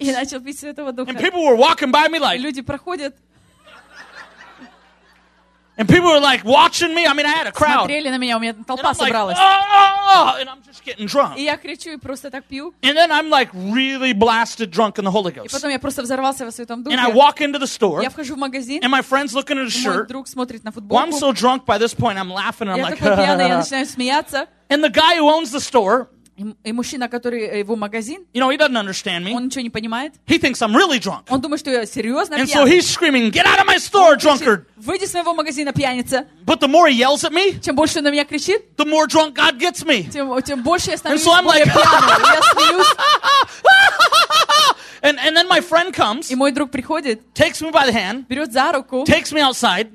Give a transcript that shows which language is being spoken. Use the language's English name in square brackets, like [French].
[Russian] И начал пить Святого Духа. [English] And people were walking by me like. [Russian] Люди проходят. [English] And people were like watching me. I mean, I had a crowd. [Russian] Смотрели на меня, у меня толпа собралась. [English] And I'm just getting drunk. [Russian] И я кричу и просто так пью. [English] And then I'm like really blasted drunk in the Holy Ghost. [Russian] И потом я просто взорвался во Святом Духе. [English] And I walk into the store. [Russian] Я вхожу в магазин. [English] And my friend's looking at a shirt. [Russian] Мой друг смотрит на футболку. [English] Well, I'm so drunk by this point, I'm laughing. And I'm like, [Russian] я такой пьяный, я начинаю смеяться. [English] And the guy who owns the store. [Russian] И мужчина, который его магазин, [English] you know, he doesn't understand me. [Russian] Он ничего не понимает. [English] He thinks I'm really drunk. [Russian] Он думает, что я серьезно пьяный. [English] And so he's screaming, "Get out of my store, drunkard!" [Russian] Выйди из моего магазина, пьяница. [English] But the more he yells at me, [Russian] чем больше он на меня кричит, [English] the more drunk God gets me. [Russian] Тем больше я становлюсь более пьяным. Я смеюсь. [English] And then my friend comes. [Russian] И мой друг приходит. [English] Takes me by the hand. [Russian] Берет за руку. [English] Takes me outside.